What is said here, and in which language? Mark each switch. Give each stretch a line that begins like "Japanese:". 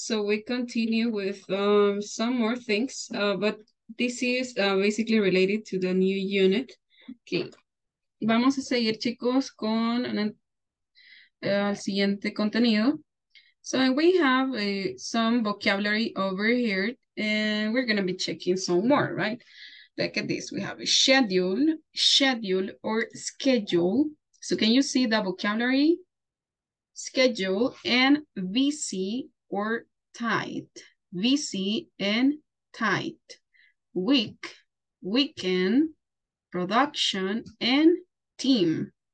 English: So we continue with some more things, but this is basically related to the new unit.
Spanish: Okay, vamos a seguir, chicos, con el siguiente contenido.
English: So we have some vocabulary over here, and we're going to be checking some more, right? Look at this. We have a schedule or schedule. So can you see the vocabulary? Schedule and busy or tight, busy and tight, week, weekend, production, and team.